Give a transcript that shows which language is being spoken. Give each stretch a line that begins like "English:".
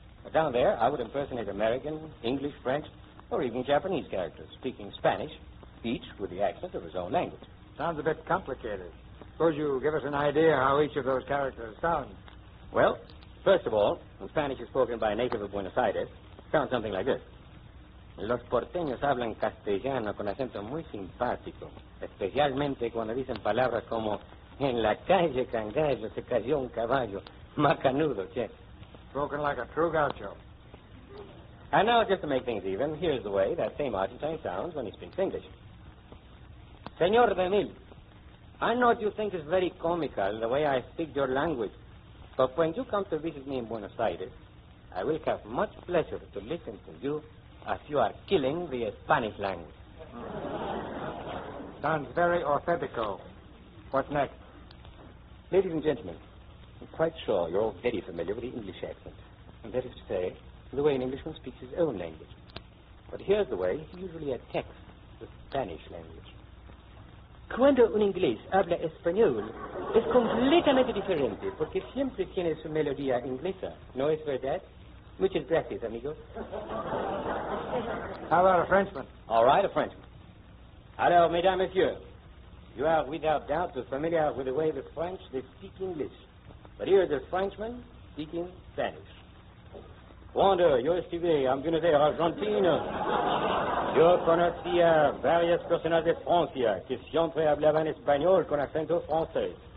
English: But down there, I would impersonate American, English, French, or even Japanese characters speaking Spanish, each with the accent of his own language. Sounds a bit complicated. Suppose you give us an idea how each of those characters sounds. Well, first of all, when Spanish is spoken by a native of Buenos Aires, it sounds something like this.
Spanish: Los porteños hablan castellano con acento muy simpático, especialmente cuando dicen palabras como en la calle Cangallo se cayó un caballo, macanudo, che.
English: Spoken like a true gaucho. And now, just to make things even, here's the way that same Argentine sounds when he speaks English. Señor DeMille, I know what you think is very comical, the way I speak your language, but when you come to visit me in Buenos Aires, I will have much pleasure to listen to you as you are killing the Spanish language. Sounds very authentico. What next? Ladies and gentlemen, I'm quite sure you're all very familiar with the English accent. And that is to say, the way an Englishman speaks his own language. But here's the way he usually attacks the Spanish language.
Spanish: Cuando un inglés habla español, es completamente diferente, porque siempre tiene su melodía inglesa. ¿No es verdad? Muchas gracias, amigo.
English: How about a Frenchman? All right, a Frenchman.
French: Alors, mesdames, messieurs,
English: you are without doubt familiar with the way the French they speak English. But here is a Frenchman speaking Spanish. Wanda,
Spanish: yo estive,
English: I'm going to say Argentina.
Spanish: Yo conocía varias personas de Francia que siempre hablaban español con acento francés.